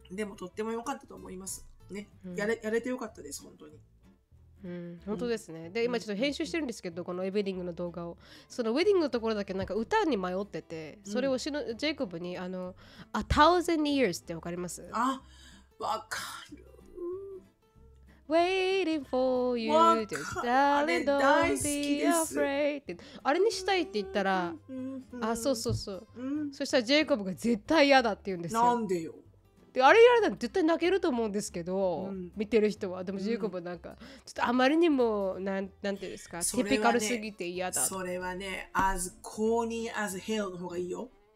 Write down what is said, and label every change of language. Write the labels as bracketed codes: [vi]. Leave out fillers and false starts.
[ja] でも、とっても良かったと思います。ね、うん、やれて良かったです、本当に。うん、本当ですね、うん。で、今ちょっと編集してるんですけど、うん、このウェディングの動画を。そのウェディングのところだけなんか歌に迷ってて、それをジェイコブに、あの、A Thousand Years って分かります？あ、分かる。 [en] Waiting for you, darling, don't be afraid. [ja] あれにしたいって言ったら、あ、そうそうそう。そしたらジェイコブが絶対嫌だって言うんですよ。なんでよ。で、あれやられたら絶対泣けると思うんですけど、うん、見てる人は。でもジェイコブなんか、うん、ちょっとあまりにも、なんていうんですか、ね、ティピカルすぎて嫌だ。それはね、 [en] As corny as hell [ja] の方がいいよ。